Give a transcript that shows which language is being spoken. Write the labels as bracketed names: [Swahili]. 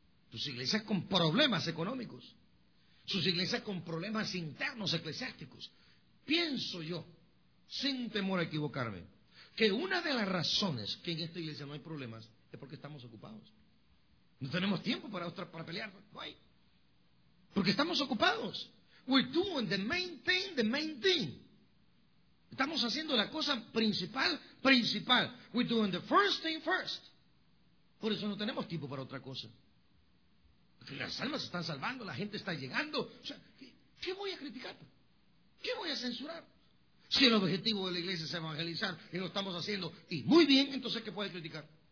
[Spanish] Sus iglesias con problemas económicos. Sus iglesias con problemas internos eclesiásticos. Pienso yo, sin temor a equivocarme, que una de las razones que en esta iglesia no hay problemas es porque estamos ocupados. No tenemos tiempo para pelear. No hay. Porque estamos ocupados. [English] We're doing the main thing. [Spanish] Estamos haciendo la cosa principal. [English] We're doing the first thing first. [Spanish] Por eso no tenemos tiempo para otra cosa. Que las almas se están salvando, la gente está llegando. O sea, ¿qué voy a criticar? ¿Qué voy a censurar? Si el objetivo de la iglesia es evangelizar y lo estamos haciendo, y muy bien, entonces ¿qué puede criticar?